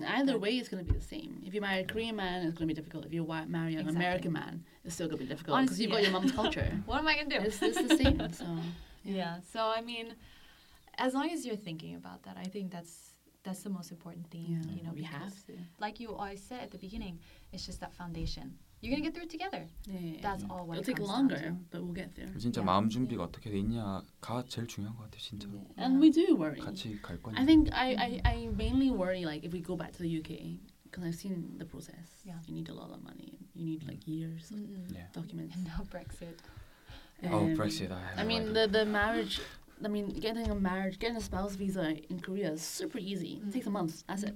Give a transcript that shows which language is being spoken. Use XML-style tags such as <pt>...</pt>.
<en>Either way, it's going to be the same. If you marry a Korean man, it's going to be difficult. If you marry an American man, it's still going to be difficult because you've got your mom's culture. What am I going to do? It's the same. So So, I mean, as long as you're thinking about that, I think that's the most important thing, you know, like you always said at the beginning, it's just that foundation. You're going to get through it together. It'll take longer, but we'll get there.</en> <ko>진짜 마음 준비가 어떻게 돼 있냐가 제일 중요한 것 같아, 진짜로.</ko> <en>And we do worry.</en> <ko>같이 갈 거니.</ko> <en>I think I mainly worry, like, if we go back to the UK, because I've seen the process. Yeah. You need a lot of money. You need, like, years of documents. And now Brexit. Brexit. I mean, the marriage... I mean, getting a marriage, getting a spouse visa in Korea is super easy. Mm-hmm. It takes a month, that's it.</en>